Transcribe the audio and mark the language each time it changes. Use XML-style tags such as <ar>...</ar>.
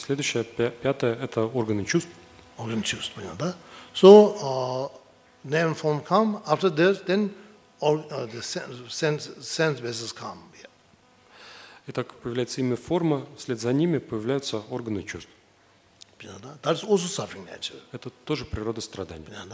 <ru>Следующее, пятое, это органы чувств. Органы чувств, понятно, да?</ru> <en>So, then form come after this, then all the sense bases come.</en> <ru>Итак, появляется имя форма, вслед за ними появляются органы чувств.</ru> <en>That's also suffering nature.</en> <ru>Это тоже природа страдания.</ru>